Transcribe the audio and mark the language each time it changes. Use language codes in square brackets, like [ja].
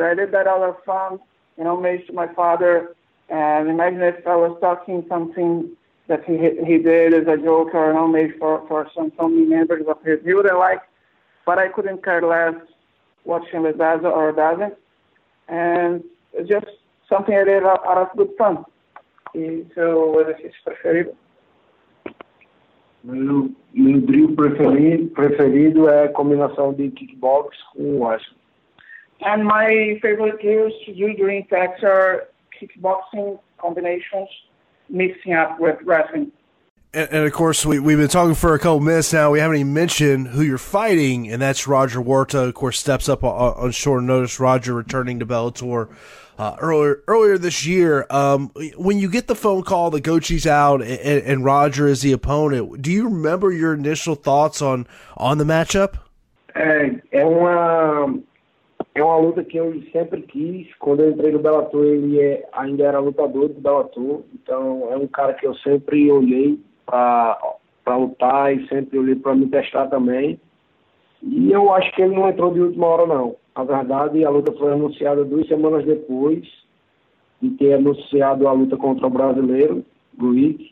[en] I did that out of fun, in homage to my father. And imagine if I was talking something that he did as a joke or an homage for some family members of his. He wouldn't like, but I couldn't care less what Chandler does or doesn't. And it's just something I did out of good fun. So what is his preferido? [pt] Meu drill preferido é a combinação de kickbox com wrestling. [en] And my favorite drills to do during tax are kickboxing combinations mixing up with wrestling. And of course, we've been talking for a couple minutes now. We haven't even mentioned who you're fighting, and that's Roger Huerta. Of course, steps up on short notice. Roger returning to Bellator earlier this year. When you get the phone call that Gaethje's out and Roger is the opponent, do you remember your initial thoughts on the matchup? [pt] É uma luta que eu sempre quis. Quando eu entrei no Bellator, ele ainda era lutador do Bellator. Então, é um cara que eu sempre olhei para lutar e sempre olhei para me testar também. E eu acho que ele não entrou de última hora, não. Na verdade, a luta foi anunciada 2 semanas depois de ter anunciado a luta contra o brasileiro, Luiz.